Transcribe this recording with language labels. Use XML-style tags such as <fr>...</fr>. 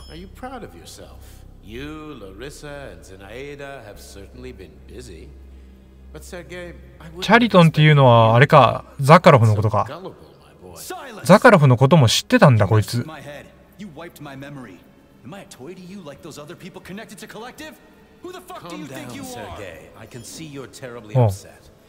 <en>Are you proud of yourself? You, Larissa, and Zenaida have certainly been busy.</en> <ja>But Sergei, チャリトンっていうのはあれか、ザカロフのことか。ザカロフのことも知ってたんだこいつ。</ja> <en>You wiped my memory. Am I a toy to you like those other people connected to Collective? Who the fuck do you think you are? I can see you're terribly upset.</en>